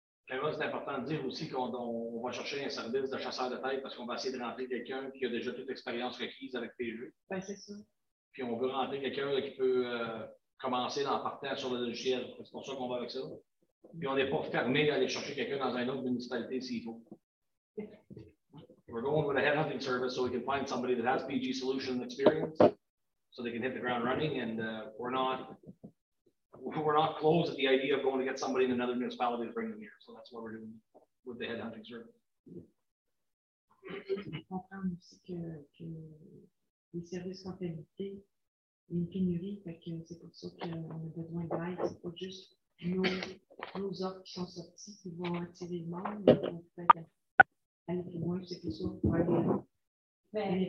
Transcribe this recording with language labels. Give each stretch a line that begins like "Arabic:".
French: Et là, c'est important de dire aussi qu'on va chercher un service de chasseur de tête parce qu'on va essayer de rentrer quelqu'un qui a déjà toute l'expérience requise avec PG. Ben, c'est ça. Puis on veut rentrer quelqu'un là, qui peut commencer en partant sur le logiciel. C'est pour ça qu'on va avec ça. Puis on n'est pas fermé à aller chercher quelqu'un dans une autre municipalité s'il faut.
English: We're going with a headhunting service so we can find somebody that has PG solution experience so they can hit the ground running and we're not close at the idea of going to get somebody in another municipality to bring them here. So that's what we're doing with the headhunting service.
French: Les services sont limités, une pénurie, fait que c'est pour ça qu'on a besoin d'aide. C'est pas juste nos offres qui sont sorties qui vont attirer le monde, mais on peut aller plus loin, c'est pour ça qu'on va aller.